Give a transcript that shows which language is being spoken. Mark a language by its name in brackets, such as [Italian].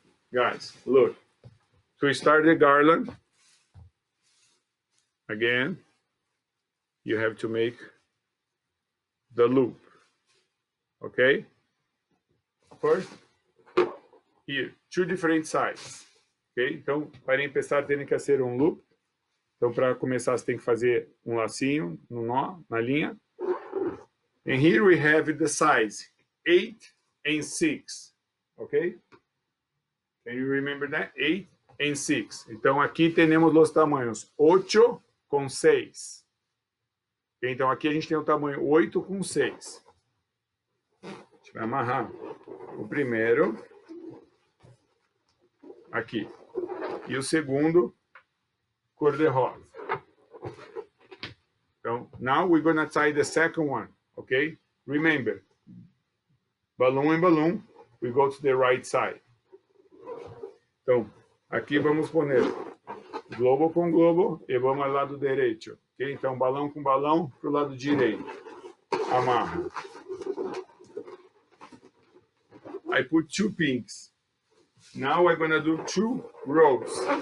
[English] guys, look, to start the garland, again, you have to make the loop, okay? First, here, two different sides, okay? [Portuguese] Então, para começar, tem que ser um loop. Então, para começar, você tem que fazer um lacinho, no nó, na linha. [English] And here we have the size, 8 and 6, okay? And you remember that? 8 and 6. [Portuguese] Então, aqui temos os tamanhos 8 com 6. Então, aqui a gente tem o tamanho 8 com 6. A gente vai amarrar o primeiro aqui. E o segundo, cor de rosa. [English] Então, now we're going to tie the second one, ok? Remember, balloon and balloon, we go to the right side. [Portuguese] Então, aqui vamos poner globo com globo e vamos ao lado direito. Ok? Então, balão com balão para o lado direito. Amarra. [English] I put two pinks. Now I'm gonna do two rows.